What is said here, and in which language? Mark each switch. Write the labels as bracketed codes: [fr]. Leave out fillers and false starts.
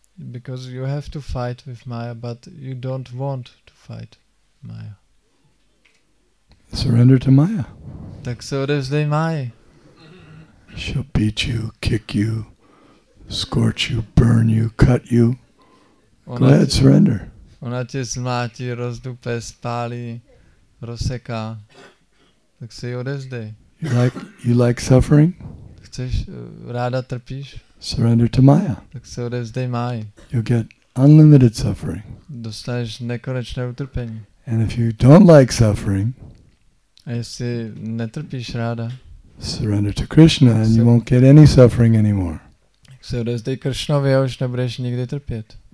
[en] Because you have to fight with Maya, but you don't want to fight Maya. Surrender to Maya. [cs] Tak se odevzdej Maya. [en] She'll beat you, kick you, scorch you, burn you, cut you. Go ahead, surrender. [cs] Ona tě zmátí, rozdupe, spálí. Rozseká, tak se jí odevzdej. [en] You like suffering? [cs] Chceš, ráda trpíš? [en] Surrender to Maya. [cs] Tak se odevzdej Maji. [en] You'll get unlimited suffering. [cs] Dostaneš nekonečné utrpení. [en] And if you don't like suffering, [cs] a jestli netrpíš ráda, [en] surrender to Krishna and you won't get any suffering anymore. [cs] Tak se odevzdej Krishnovi a už nebudeš nikdy trpět.